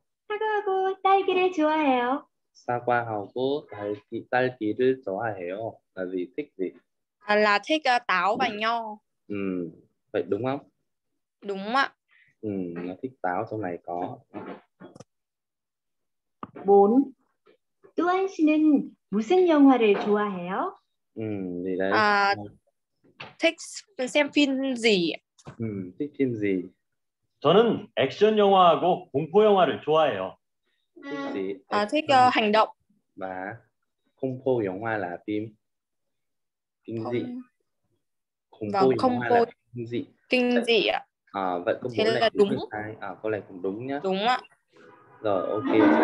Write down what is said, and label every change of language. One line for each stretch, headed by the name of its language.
Korean: 사과하고 딸기를 좋아해요. 사과하고 딸기 딸기를 좋아해요.
Vietnamese: Là gì? Thích gì? Là thích táo và nho. Ừ, vậy đúng không? Đúng ạ. Ừ, nó thích táo trong này có. 4.
Korean: Tuấn 씨는 무슨 영화를 좋아해요?
Vietnamese: Gì đây? Thích xem phim gì? Thích phim gì?
Korean: 저는 액션 영화하고 공포 영화를 좋아해요.
Vietnamese: Thích hành động. Và công phu giống hoa là phim. Kinh dị. Công phu giống hoa là kinh dị. Kinh dị ạ. À, vậy có thế là đúng. Sai. À, có lẽ cũng đúng nhá. Đúng ạ. Rồi, ok.